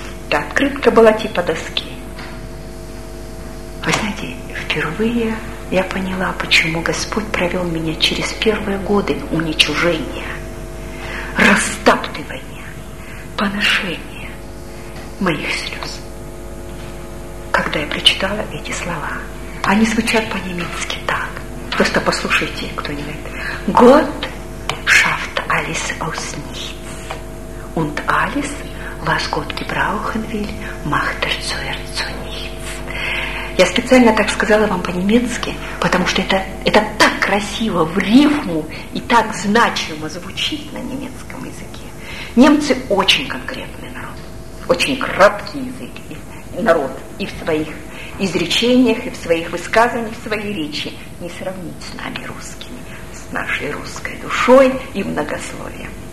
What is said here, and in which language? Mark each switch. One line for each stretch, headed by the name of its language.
Russian: Да, открытка была типа доски. Вы знаете, впервые я поняла, почему Господь провел меня через первые годы уничижения, растаптывания, поношения моих слез. Когда я прочитала эти слова, они звучат по-немецки так. Просто послушайте, кто-нибудь.
German: Gott schafft alles aus nichts. Und alles, was Gott gebrauchen will, macht zuerst zu nichts.
Russian: Я специально так сказала вам по-немецки, потому что это так красиво в рифму и так значимо звучит на немецком языке. Немцы очень конкретный народ, очень краткий язык и народ и в своих изречениях, и в своих высказываниях, в своей речи не сравнить с нами русскими, с нашей русской душой и многословием.